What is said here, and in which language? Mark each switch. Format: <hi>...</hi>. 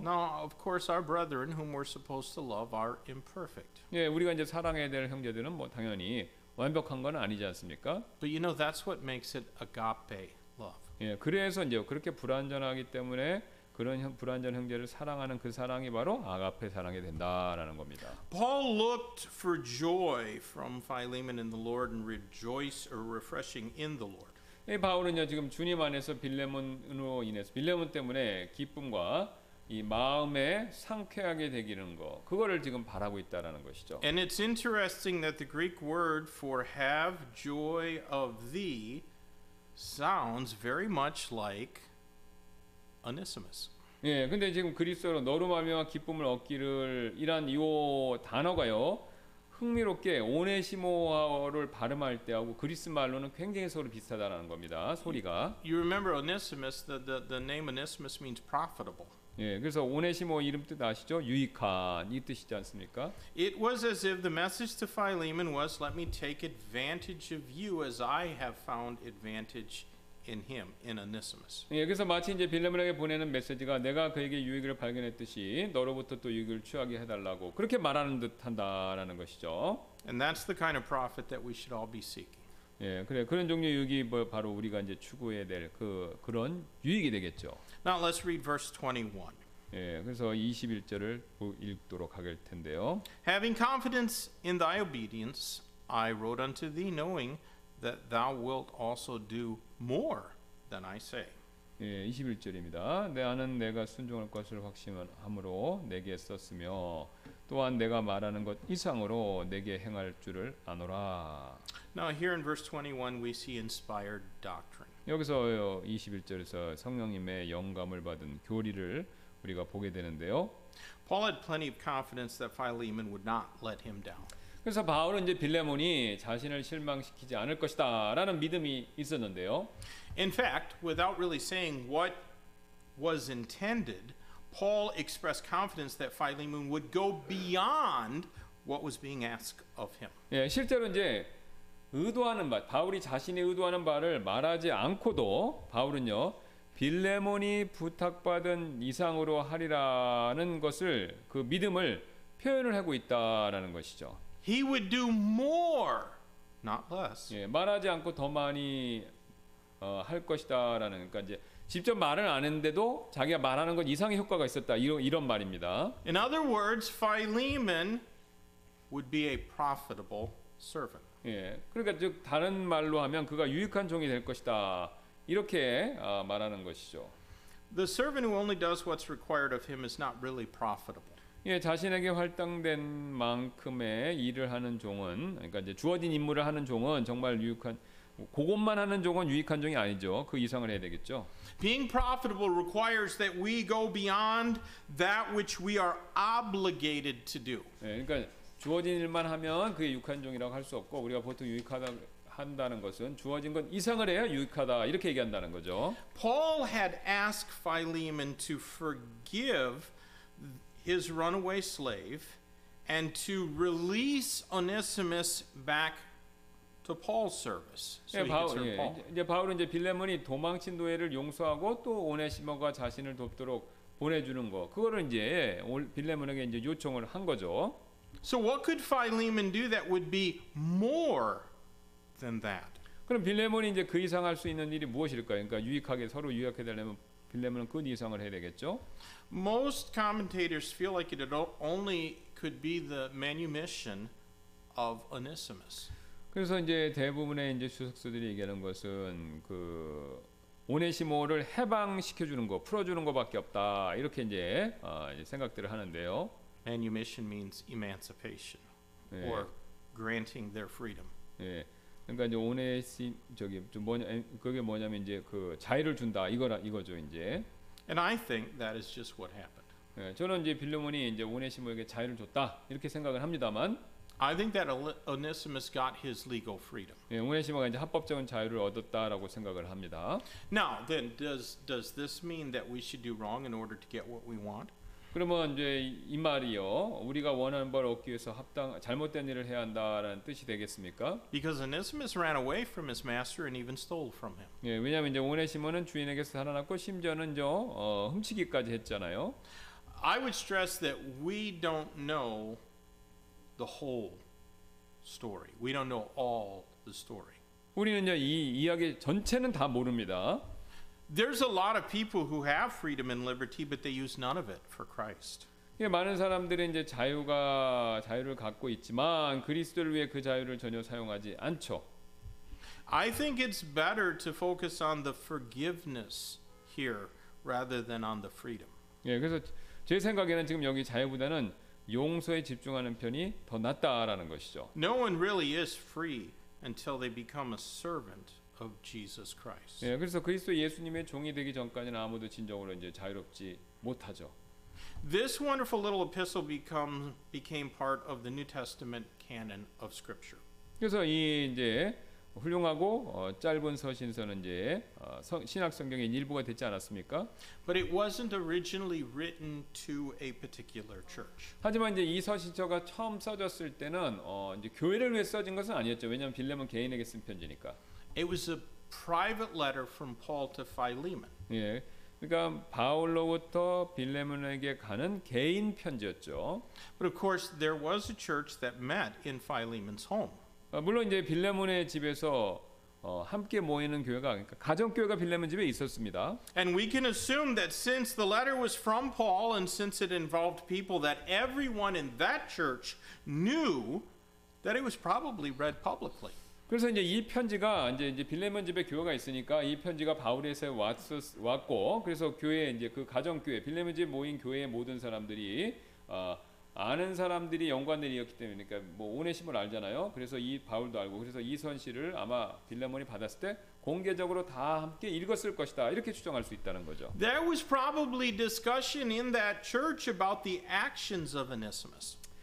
<en>Now, of course, our brethren whom we're supposed to love are imperfect.</en> <ko>예, 우리가 이제 사랑해야 될 형제들은 뭐 당연히 완벽한 건 아니지 않습니까?</ko> <en>But you know that's what makes it agape love.</en> <ko>예, 그래서 이제 그렇게 불완전하기 때문에 그런 형, 불완전 형제를 사랑하는 그 사랑이 바로 아가페 사랑이 된다라는 겁니다.</ko> <en>Paul looked for joy from Philemon in the Lord and rejoiced or refreshing in the Lord.</en> <ko>예, 바울은요 지금 주님 안에서 빌레몬으로 인해서 빌레몬 때문에 기쁨과 이 마음에 상쾌하게 되기는 거 그거를 지금 바라고 있다라는 것이죠.</ko> <en>And it's interesting that the Greek word for have joy of thee sounds very much like Onesimus.</en> <ko>예, 근데 지금 그리스도로 너로 말미암아 기쁨을 얻기를 이란 이 단어가요 흥미롭게 오네시모를 발음할 때하고 그리스 말로는 굉장히 서로 비슷하다는 겁니다. 소리가.</ko> <en>You remember Onesimus? The name Onesimus means profitable.</en> <ko>예, 그래서 오네시모 이름 뜻 아시죠? 유익한 이 뜻이지 않습니까?</ko> <en>It was as if the message to Philemon was, "Let me take advantage of you as I have found advantage." In him, in Onesimus.</en> <ko>여기서 마치 이제 빌레몬에게 보내는 메시지가 내가 그에게 유익을 발견했듯이 너로부터 또 유익을 취하게 해달라고 그렇게 말하는 듯한다라는 것이죠.</ko> <en>And that's the kind of profit that we should all be seeking.</en> <ko>예, 그래 그런 종류의 유익이 뭐 바로 우리가 이제 추구해야 될 그 그런 유익이 되겠죠.</ko> <en>Now let's read verse 21.</en> <ko>예, 그래서 21절을 읽도록 할 텐데요.</ko> <en>Having confidence in thy obedience, I wrote unto thee, knowing that thou wilt also do more than I say.</en> <ko>예, 21절입니다. 내 아는 내가 순종할 것을 확신함으로 내게 썼으며 또한 내가 말하는 것 이상으로 내게 행할 줄을 아노라.</ko> <en>Now here in verse 21 we see inspired doctrine.</en> <ko>여기서 21절에서 성령님의 영감을 받은 교리를 우리가 보게 되는데요.</ko> <en>Paul had plenty of confidence that Philemon would not let him down.</en> <ko>그래서 바울은 이제 빌레몬이 자신을 실망시키지 않을 것이다라는 믿음이 있었는데요.</ko> <en>In fact, without really saying what was intended, Paul expressed confidence that Philemon would go beyond what was being asked of him.</en> <ko>예, 실제로 이제 의도하는 바, 바울이 자신이 의도하는 바를 말하지 않고도 바울은요 빌레몬이 부탁받은 이상으로 하리라는 것을 그 믿음을 표현을 하고 있다라는 것이죠.</ko> <en>He would do more, not less.</en> <ko>예, 말하지 않고 더 많이 할 것이다라는 그러니까 이제 직접 말은 안 했는데도 자기가 말하는 것 이상의 효과가 있었다. 이런 말입니다.</ko> <en>In other words, Philemon would be a profitable servant.</en> <ko>예. 그러니까 즉 다른 말로 하면 그가 유익한 종이 될 것이다. 이렇게 말하는 것이죠.</ko> <en>The servant who only does what's required of him is not really profitable.</en> <ko>예, 자신에게 할당된 만큼의 일을 하는 종은 그러니까 이제 주어진 임무를 하는 종은 정말 유익한 그것만 하는 종은 유익한 종이 아니죠. 그 이상을 해야 되겠죠.</ko> <en>Being profitable requires that we go beyond that which we are obligated to do.</en> <ko>예, 그러니까 주어진 일만 하면 그게 유익한 종이라고 할 수 없고 우리가 보통 유익하다 한다는 것은 주어진 건 이상을 해야 유익하다 이렇게 얘기한다는 거죠.</ko> <en>Paul had asked Philemon to forgive his runaway slave and to release Onesimus back to Paul's service. So he gets her Paul.</en> <ko>이제 바울은 이제 빌레몬이 도망친 노예를 용서하고 또 오네시모가 자신을 돕도록 보내 주는 거. 그거를 이제 빌레몬에게 이제 요청을 한 거죠.</ko> <en>So what could Philemon do that would be more than that?</en> <ko>그럼 빌레몬이 이제 그 이상 할 수 있는 일이 무엇일까요? 그러니까 유익하게 서로 유익하게 되려면 빌레몬은 그 이상을 해야 되겠죠.</ko> <en>Most commentators feel like it only could be the manumission of Onesimus.</en> <ko>그래서 이제 대부분의 이제 주석수들이 얘기하는 것은 그 오네시모를 해방시켜 주는 거, 풀어 주는 거밖에 없다. 이렇게 이제 이제 생각들을 하는데요.</ko> <en>Manumission means emancipation or granting their freedom.</en> <ko>예. 그러니까 이제 오네시 저기 좀 뭐냐 그게 뭐냐면 이제 그 자유를 준다. 이거라 이거죠, 이제.</ko> <en>And I think that is just what happened.</en> <ko>예, 저는 이제 빌레몬이 이제 오네시모에게 자유를 줬다 이렇게 생각을 합니다만.</ko> <en>I think that Onesimus got his legal freedom.</en> <ko>예, 오네시모가 이제 합법적인 자유를 얻었다라고 생각을 합니다.</ko> <en>Now then, does this mean that we should do wrong in order to get what we want?</en> <ko>그러면 이제 이 말이요, 우리가 원하는 걸 얻기 위해서 합당 잘못된 일을 해야 한다라는 뜻이 되겠습니까?</ko> <en>Because Onesimus ran away from his master and even stole from him.</en> <ko>예, 왜냐하면 이제 오네시모는 주인에게서 살아났고 심지어는 저 훔치기까지 했잖아요.</ko> <en>I would stress that we don't know the whole story. We don't know all the story.</en> <ko>우리는 이제 이 이야기 전체는 다 모릅니다.</ko> <en>There's a lot of people who have freedom and liberty, but they use none of it for Christ.</en> <ko>예, 많은 사람들은 이제 자유를 갖고 있지만 그리스도를 위해 그 자유를 전혀 사용하지 않죠.</ko> <en>I think it's better to focus on the forgiveness here rather than on the freedom.</en> <ko>예, 그래서 제 생각에는 지금 여기 자유보다는 용서에 집중하는 편이 더 낫다라는 것이죠.</ko> <en>No one really is free until they become a servant of Jesus Christ.</en> <ko>예, 그래서 그리스도 예수님의 종이 되기 전까지는 아무도 진정으로 이제 자유롭지 못하죠.</ko> <en>This wonderful little epistle became part of the New Testament canon of Scripture.</en> <ko>그래서 이 이제 훌륭하고 짧은 서신서는 이제 신약 성경의 일부가 됐지 않았습니까?</ko> <en>But it wasn't originally written to a particular church.</en> <ko>하지만 이제 이 서신서가 처음 써졌을 때는 이제 교회를 위해 써진 것은 아니었죠. 왜냐하면 빌레몬 개인에게 쓴 편지니까.</ko> <en>It was a private letter from Paul to Philemon.</en> <ko>예. 그러니까 바울로부터 빌레몬에게 가는 개인 편지였죠.</ko> <en>But of course, there was a church that met in Philemon's home.</en> <ko>물론 이제 빌레몬의 집에서 함께 모이는 교회가 그러니까 가정 교회가 빌레몬 집에 있었습니다.</ko> <en>And we can assume that since the letter was from Paul and since it involved people that everyone in that church knew, that it was probably read publicly.</en> <ko>그래서 이제 이 편지가 이제 빌레몬 집에 교회가 있으니까 이 편지가 바울에서 왔고 그래서 교회 이제 그 가정 교회 빌레몬 집에 모인 교회의 모든 사람들이 아는 사람들이 연관들이었기 때문에 그러니까 뭐 오네심을 알잖아요. 그래서 이 바울도 알고 그래서 이 선시를 아마 빌레몬이 받았을 때 공개적으로 다 함께 읽었을 것이다. 이렇게 추정할 수 있다는 거죠.</ko> <en>There was probably discussion in that church about the actions of Onesimus.</en>